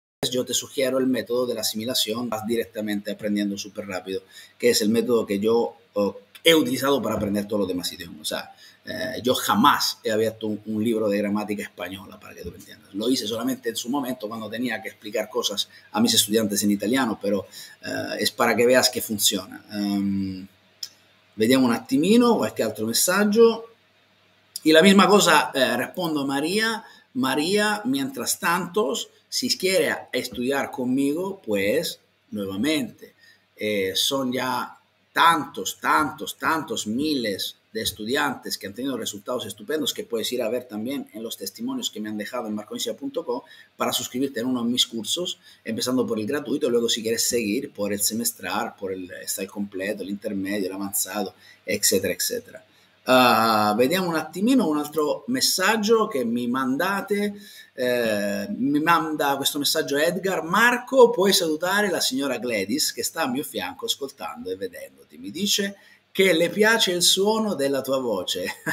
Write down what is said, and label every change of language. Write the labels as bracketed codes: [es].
[es] Yo te sugiero el método de la asimilación, vas directamente aprendiendo súper rápido, que es el método que yo he utilizado para aprender todos los demás idiomas. O sea, yo jamás he abierto un libro de gramática española, para que tú me entiendas. Lo hice solamente en su momento cuando tenía que explicar cosas a mis estudiantes en italiano, pero es para que veas que funciona. [it] Vediamo un attimino, qualche altro messaggio. [es] Y la misma cosa respondo a María. María, mientras tanto, si quiere estudiar conmigo, pues, nuevamente, son ya tantos miles de estudiantes que han tenido resultados estupendos, que puedes ir a ver también en los testimonios que me han dejado en marconicia.com para suscribirte en uno de mis cursos, empezando por el gratuito, luego si quieres seguir por el semestral, por el style completo, el intermedio, el avanzado, etcétera, etcétera. [it] Vediamo un attimino un altro messaggio che mi mandate. Mi manda questo messaggio Edgar. Marco, puoi salutare la signora Gladys che sta a mio fianco ascoltando e vedendoti. Mi dice che le piace il suono della tua voce.